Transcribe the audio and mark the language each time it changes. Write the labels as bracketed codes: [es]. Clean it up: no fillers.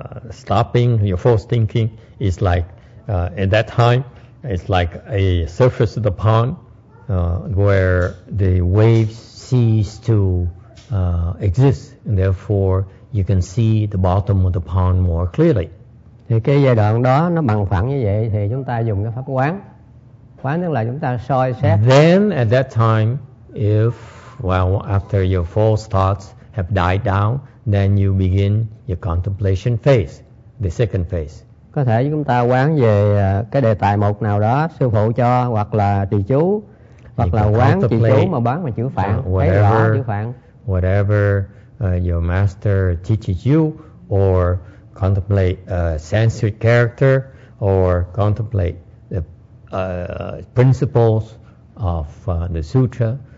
[en] Stopping your false thinking is like at that time it's like a surface of the pond where the waves cease to exist, and therefore you can see the bottom of the pond more clearly. [vi] Thì cái giai đoạn đó nó bằng phẳng như vậy thì chúng ta dùng cái pháp quán. Quán tức là chúng ta soi xét. [en] Then at that time, if after your false thoughts have died down, then you begin your contemplation phase, the second phase. [vi] Có thể chúng ta quán về cái đề tài một nào đó sư phụ cho, hoặc là trì chú, hoặc là quán trì chú mà bán mà chữ phạn, thấy rõ chữ phạn. [en] Whatever your master teaches you, or contemplate a Sanskrit character, or contemplate the principles of the sutra.